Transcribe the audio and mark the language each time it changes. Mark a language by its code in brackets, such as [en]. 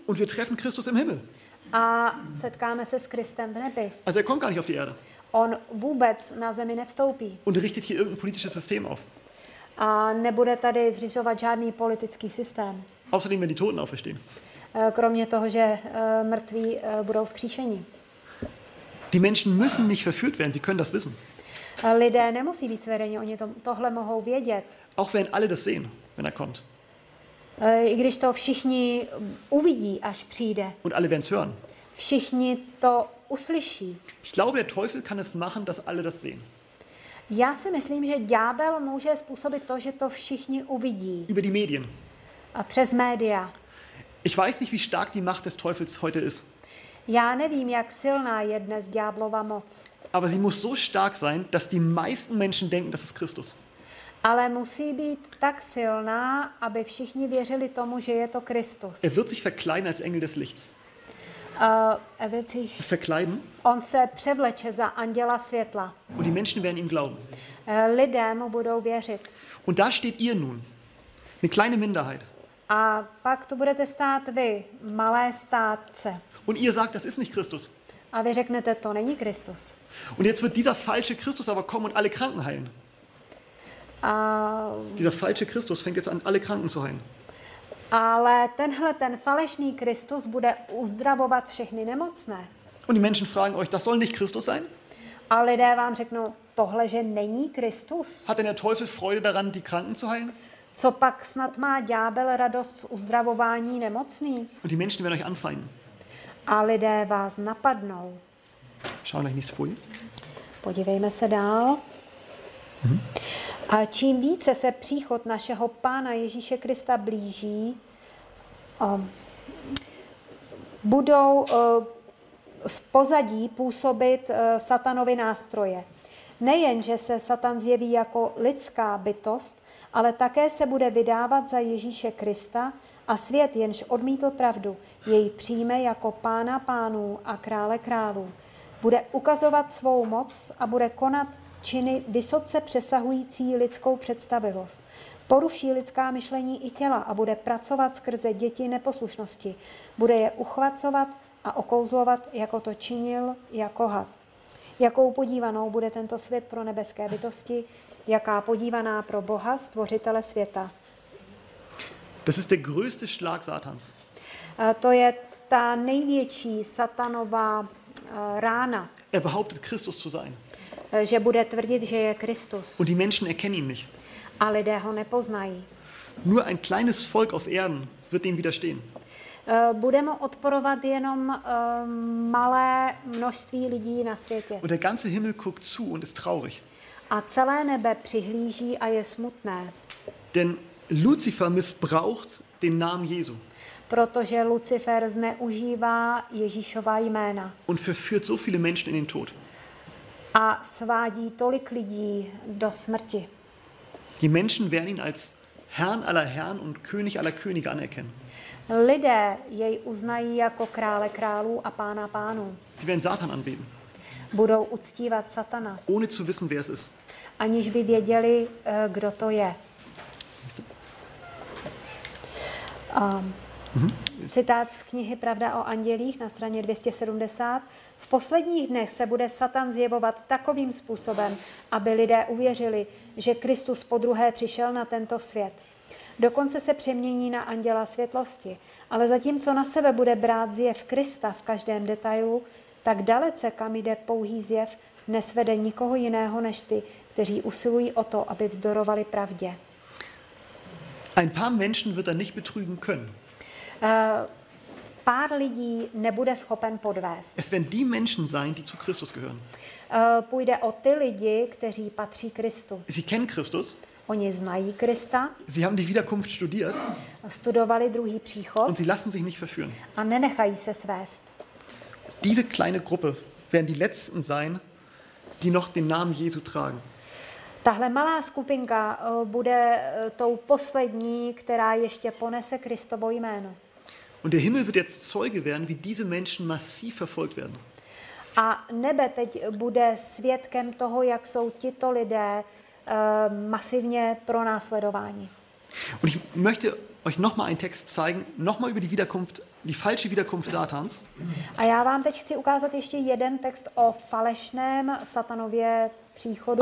[de] Und wir treffen Christus im Himmel. [cs] A setkáme se s Kristem v nebi. [de] Also er kommt gar nicht auf die Erde. [cs] On vůbec na zemi nevstoupí. [de] Und richtet hier irgendein politisches System auf. [cs] A nebude tady zřizovat žádný politický systém. [de] Außerdem werden die Toten auferstehen. [cs] Kromě toho, že mrtví budou vzkříšeni. [de] Die Menschen müssen nicht verführt werden, sie können das wissen. [cs] Lidé nemusí být svedeni, oni tohle mohou vědět. [de] Auch wenn alle das sehen, wenn er kommt. [cs] I když to všichni uvidí, až přijde. [de] Und alle werden's hören. [cs] Všichni to uslyší. [de] Ich glaube, der Teufel kann es machen, dass alle das sehen. [cs] Já si myslím, že ďábel může způsobit to, že to všichni uvidí. [de] Über die Medien. [cs] A přes média. [de] Ich weiß nicht, wie stark die Macht des Teufels heute ist. [cs] Já nevím, jak silná je dnes ďáblova moc. [de] Aber sie muss so stark sein, dass die meisten Menschen denken, das ist Christus. [cs] Ale musí být tak silná, aby všichni věřili tomu, že je to Kristus. [de] Er wird sich verkleiden als Engel des Lichts. Er wird sich verkleiden. [cs] On se převleče za anděla světla. [de] Und die Menschen werden ihm glauben. [cs] Lidé mu budou věřit. [de] Und da steht ihr nun. Eine kleine Minderheit. [cs] A pak tu budete stát vy, malé státce. [de] Und ihr sagt, das ist nicht Christus. [cs] A vy řeknete, to není Kristus. [de] Und jetzt wird dieser falsche Christus aber kommen und alle Kranken heilen. Dieser falsche Christus fängt jetzt an, alle Kranken zu heilen. [cs] Ale tenhle ten falešný Kristus bude uzdravovat všechny nemocné. [de] Und die Menschen fragen euch, das soll nicht Christus sein? [cs] A lidé vám řeknou, tohle že není Kristus. [de] Hat denn der Teufel Freude daran, die Kranken zu heilen? [cs] Copak snad má ďábel radost z uzdravování nemocných? [de] Und die Menschen werden euch anfeinden. [cs] A lidé vás napadnou. [de] Schauen wir nächste Folie. [cs] Podívejme se dál. A čím více se příchod našeho Pána Ježíše Krista blíží, budou z pozadí působit Satanovy nástroje. Nejen, že se Satan zjeví jako lidská bytost, ale také se bude vydávat za Ježíše Krista a svět, jenž odmítl pravdu, jej přijme jako Pána pánů a Krále králů. Bude ukazovat svou moc a bude konat činy vysoce přesahující lidskou představivost. Poruší lidská myšlení i těla a bude pracovat skrze děti neposlušnosti. Bude je uchvacovat a okouzlovat, jako to činil jako had. Jakou podívanou bude tento svět pro nebeské bytosti, jaká podívaná pro Boha, stvořitele světa. [de] Das ist der größte Schlag Satans. [cs] To je ta největší satanová rána. [de] Er behauptet, Christus zu sein. [cs] Že bude tvrdit, že je Kristus. [de] Und die Menschen erkennen ihn nicht. [cs] A lidé ho nepoznají. [de] Nur ein kleines Volk auf Erden wird dem widerstehen. [cs] Bude mu odporovat jenom malé množství lidí na světě. [de] Und der ganze Himmel guckt zu und ist traurig. [cs] A celé nebe přihlíží a je smutné. [de] Denn Lucifer missbraucht den Namen Jesu. [cs] protože Lucifer zneužívá Ježíšova jména. [de] Und verführt so viele Menschen in den Tod. [cs] A svádí tolik lidí do smrti. [de] Die Menschen werden ihn als Herrn aller Herren und König aller Könige anerkennen. [cs] Lidé jej uznají jako krále králů a pána pánů. [de] Sie werden Satan anbeten. [cs] Budou uctívat Satana. [de] Ohne zu wissen, wer es ist. [cs] Aniž by věděli, kdo to je. Citát z knihy Pravda o andělích na straně 270. V posledních dnech se bude Satan zjevovat takovým způsobem, aby lidé uvěřili, že Kristus podruhé přišel na tento svět. Dokonce se přemění na anděla světlosti, ale zatímco na sebe bude brát zjev Krista v každém detailu, tak dalece, kam jde pouhý zjev, nesvede nikoho jiného než ty, kteří usilují o to, aby vzdorovali pravdě. [de] Ein paar Menschen wird er nicht betrügen können. [cs] Pár lidí nebude schopen podvést. [de] Es werden die Menschen sein, die zu Christus gehören. [cs] Půjde o ty lidi, kteří patří Kristu. [de] Sie kennen Christus. [cs] Oni znají Krista. [de] Sie haben die Wiederkunft studiert. [cs] Studovali druhý příchod. [de] Und sie lassen sich nicht verführen. [cs] A nenechají se svést. [de] Diese kleine Gruppe werden die letzten sein, die noch den Namen Jesu tragen. [cs] Tahle malá skupinka bude tou poslední, která ještě ponese Kristovo jméno. [de] Und der Himmel wird jetzt Zeuge werden, wie diese Menschen massiv verfolgt werden. [cs] A nebe teď bude svědkem toho, jak jsou tito lidé masivně pronásledováni. [de] Und ich möchte euch noch mal einen Text zeigen, noch mal über die Wiederkunft, die falsche Wiederkunft Satans. [cs] A já vám teď chci ukázat ještě jeden text o falešném Satanově příchodu.